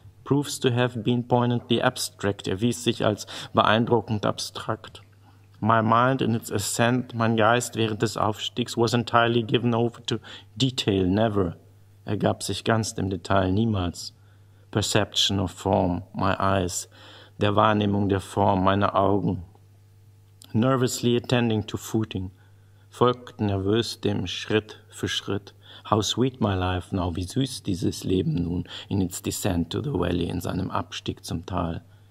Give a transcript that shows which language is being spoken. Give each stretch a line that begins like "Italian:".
English: Proves to have been poignantly abstract,
German: erwies sich als beeindruckend abstrakt.
English: My mind in its ascent,
German: mein Geist während des Aufstiegs,
English: was entirely given over to detail, never.
German: Er gab sich ganz dem Detail, niemals.
English: Perception of form, my eyes.
German: Der Wahrnehmung der Form, meine Augen,
English: nervously attending to footing,
German: folgten nervös dem Schritt für Schritt.
English: How sweet my life now,
German: wie süß dieses Leben nun,
English: in its descent to the valley,
German: in seinem Abstieg zum Tal.